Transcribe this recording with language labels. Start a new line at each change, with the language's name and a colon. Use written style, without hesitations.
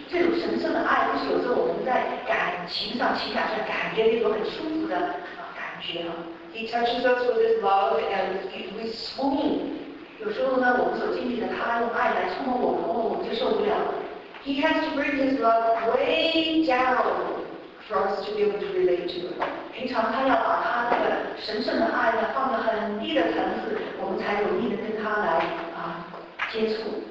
Chinese: 这种神圣的爱不是有时候我们在感情上、情感上感觉那种很舒服的感觉啊。
English: He touches us with his love and we swoon.
Chinese: 有时候呢，我们所经历的，他用爱来触摸我们，我们就受不了。
English: He has to bring his love way down for us to be able to relate to him.
Chinese: 平常他要把他的神圣的爱呢放到很低的层次，我们才容易的跟他来啊接触。